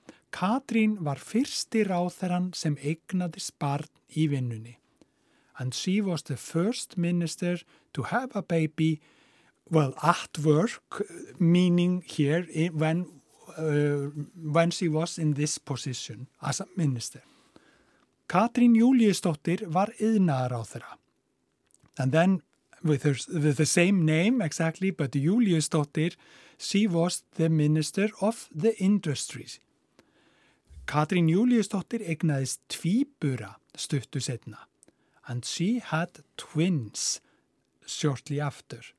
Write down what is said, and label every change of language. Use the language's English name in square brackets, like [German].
[Icelandic] Katrín var fyrsti ráðherran sem eignadist barn í vinnunni. [English] And she was the first minister to have a baby, well, at work, meaning here, when she was in this position as a minister. [Icelandic] Katrín Júlíusdóttir var iðnaðarráðherra. [English] And then, with the same name, exactly, but Júlíusdóttir, she was the minister of the industries. [Icelandic] Katrín Júlíusdóttir eignaðist tvíbura stuttu setna, [English] and she had twins shortly after.